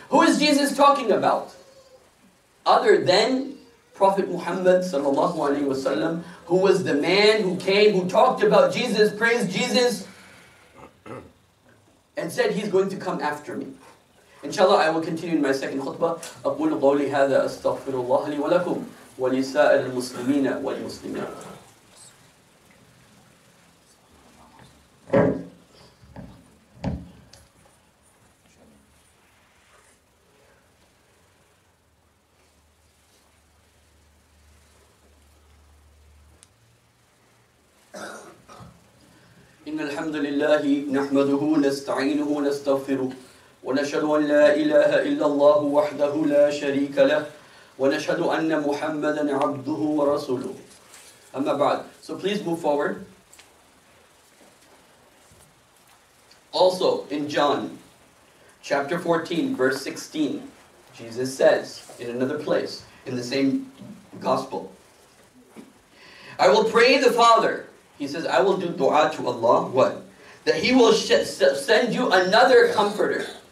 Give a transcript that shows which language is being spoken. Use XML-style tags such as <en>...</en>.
<en>Who is Jesus talking about? Other than Prophet Muhammad sallallahu alaihi wasallam, who was the man who came, who talked about Jesus, praised Jesus, and said he's going to come after me. Inshallah, I will continue in my second khutbah.</en> <ar>أقول قولي هذا أستغفر الله لي ولكم ولسائر المسلمين والمسلمات. إن الحمد لله نحمده نستعينه نستغفره ونشهد أن لا إله إلا الله وحده لا شريك له ونشهد أن محمدا عبده ورسوله أما بعد.</ar> <en>So please move forward. Also in John chapter 14 verse 16, Jesus says in another place in the same gospel, I will pray the Father. He says, I will do dua to Allah, what? That he will send you another comforter.</en>